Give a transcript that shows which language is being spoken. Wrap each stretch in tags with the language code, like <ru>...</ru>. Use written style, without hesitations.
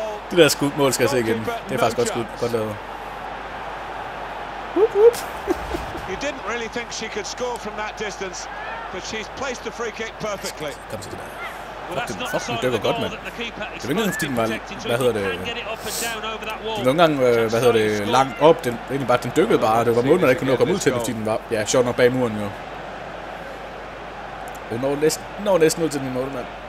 <da>Det der skudmål skal jeg se igen. Det er faktisk godt skud. Godt lavet.</da> <en>really think she could score from that distance, but she's placed the free kick perfectly. Comes to that.</en> <da>Fucking dykker godt, mand. Det er jo ikke engang fordi den var, hvad hedder det, nogle gange, hvad hedder det, lang op, den egentlig bare, den dykkede bare, det var målet, man ikke kunne nå at komme ud til, fordi den var, ja, sjovt nok bag muren jo. Den når næsten, når næsten ud til den måde, mand.</da>